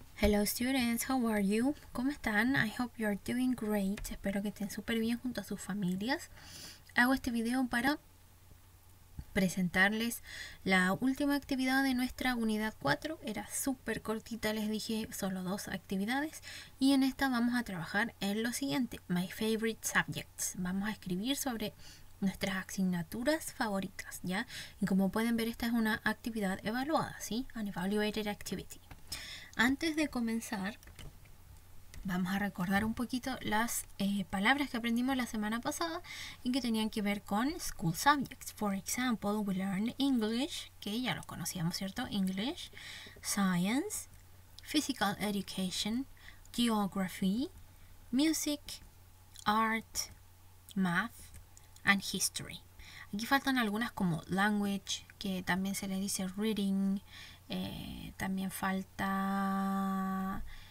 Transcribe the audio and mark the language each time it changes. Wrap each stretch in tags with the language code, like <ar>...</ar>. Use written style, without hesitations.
<en>Hello students, how are you?</en> <es>¿Cómo están?</es> <en>I hope you are doing great.</en> <es>Espero que estén súper bien junto a sus familias. Hago este video para presentarles la última actividad de nuestra unidad 4. Era súper cortita, les dije, solo dos actividades. Y en esta vamos a trabajar en lo siguiente:</es> <en>My favorite subjects.</en> <es>Vamos a escribir sobre nuestras asignaturas favoritas, ¿ya? Y como pueden ver, esta es una actividad evaluada, ¿sí?</es> <en>An evaluated activity.</en> <es>Antes de comenzar, vamos a recordar un poquito las palabras que aprendimos la semana pasada y que tenían que ver con</es> <en>school subjects. For example, we learned English,</en> <es>que ya lo conocíamos, ¿cierto?</es> <en>English, science, physical education, geography, music, art, math, and history.</en> <es>Aquí faltan algunas como language, que también se le dice reading. También falta...</es>